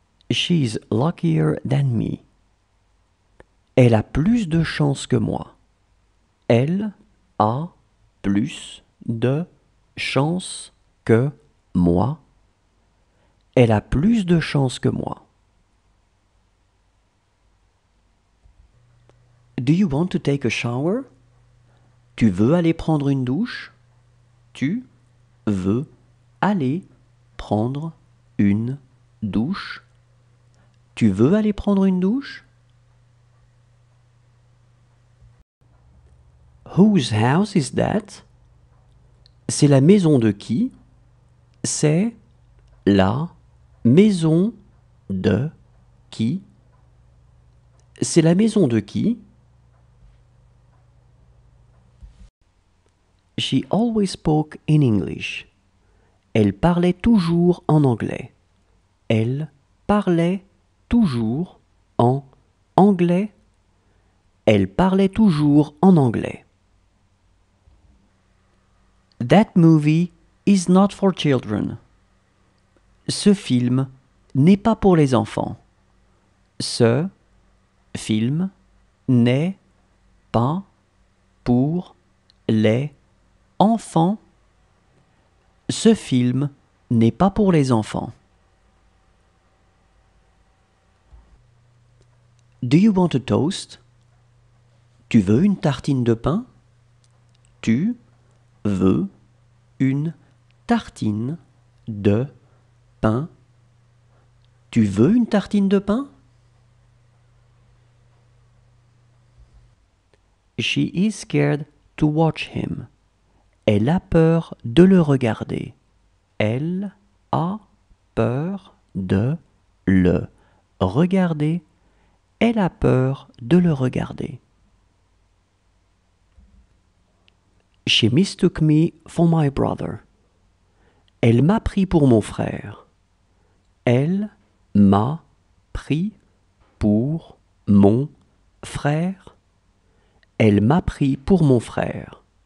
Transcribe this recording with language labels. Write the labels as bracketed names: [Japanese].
[English] She's luckier than me. [French] Elle a plus de chance que moi. Elle a plus de chance que moi. Elle a plus de chance que moi. [English] Do you want to take a shower? [French] Tu veux aller prendre une douche? Tu veux aller prendre une douche? Tu veux aller prendre une douche? [English] Whose house is that? [French] C'est la maison de qui? C'est la maison de qui? C'est la maison de qui? [English] She always spoke in English. [French] Elle parlait toujours en anglais. Elle parlait toujours en anglais. Elle parlait toujours en anglais. [English] That movie is not for children. [French] Ce film n'est pas pour les enfants. Ce film n'est pas pour les enfants. Ce film n'est pas pour les enfants. [English] Do you want a toast? [French] Tu veux une tartine de pain? Tu veux une tartine de pain? Tu veux une tartine de pain? [English] She is scared to watch him. [French] Elle a peur de le regarder. Elle a peur de le regarder. Elle a peur de le regarder. [English] She mistook me for my brother. [French] Elle m'a pris pour mon frère. Elle m'a pris pour mon frère. Elle m'a pris pour mon frère.